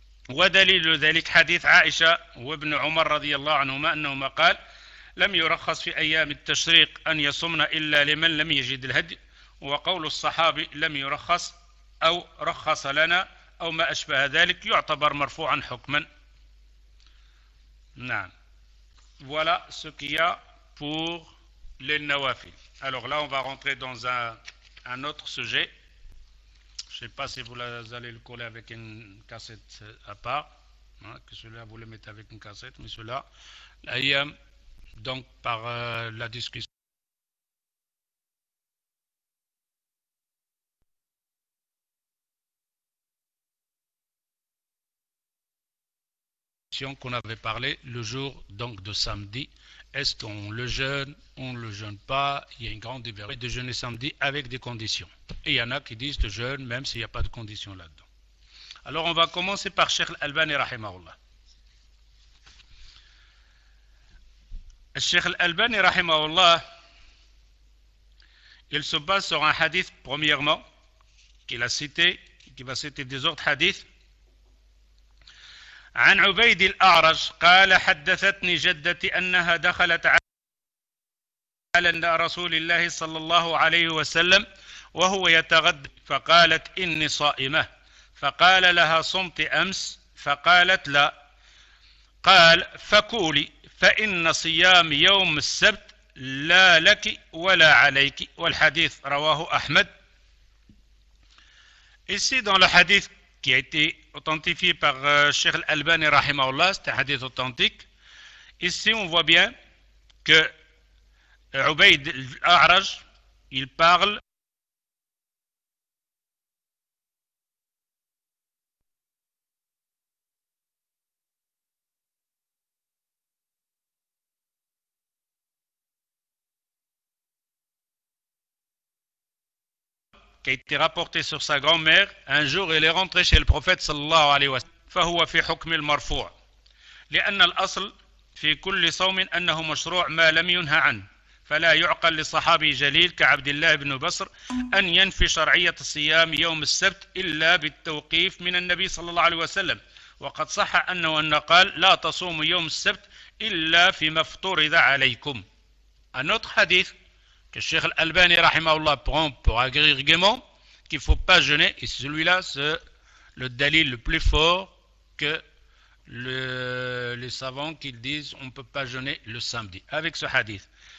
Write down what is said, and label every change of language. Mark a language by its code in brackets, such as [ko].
[ar] ودليل ذلك حديث عائشة وابن عمر رضي الله عنهما أنهما قال لم يرخص في أيام التشريق أن يصومن إلا لمن لم يجد الهدي، وقول الصحابي لم يرخص أو رخص لنا أو ما أشبه ذلك يعتبر مرفوعا حكما. نعم. [fr] Voilà ce qu'il y a pour les nawafil. Alors là, on va rentrer dans un autre sujet. Je ne sais pas si vous allez le coller avec une cassette à part. Hein, que celui-là, vous le mettez avec une cassette. Mais celui-là, l'ayam, donc par la discussion. Qu'on avait parlé le jour donc de samedi, est-ce qu'on le jeûne, on le jeûne pas? Il y a une grande liberté de jeûner samedi avec des conditions, et il y en a qui disent de jeûne même s'il n'y a pas de conditions là-dedans. Alors on va commencer par Cheikh Al-Albani rahimahullah. Cheikh Al-Albani rahimahullah, il se base sur un hadith premièrement qu'il a cité, qui va citer des autres hadiths. [ar] عن عبيد الأعرج قال حدثتني جدتي أنها دخلت على رسول الله صلى الله عليه وسلم وهو يتغدى، فقالت إني صائمة، فقال لها صمت أمس؟ فقالت لا. قال فقولي فإن صيام يوم السبت لا لك ولا عليك. والحديث رواه أحمد. [fr] ici dans le hadith qui a été authentifié par Cheikh Al-Albani rahimahullah, c'est un hadith authentique. Ici, on voit bien que Ubayd al-A'raj, il parle qui a été rapporté sur sa grand-mère. Un jour, il est rentré chez le prophète sallallahu alayhi wa sallam. [ar] فهو في حكم المرفوع لأن الأصل في كل صوم أنه مشروع ما لم ينهى عنه، فلا يعقل لصحابي جليل كعبد الله بن بصر أن ينفي شرعية الصيام يوم السبت إلا بالتوقيف من النبي صلى الله عليه وسلم. وقد صح أنه أن قال لا تصوم يوم السبت إلا فيما افترض عليكم. [fr] Un autre hadith que Cheikh Al-Albani rahimahullah prend pour agrégément qu'il ne faut pas jeûner, et celui-là c'est le dalil le plus fort que les savants qui disent on ne peut pas jeûner le samedi avec ce hadith.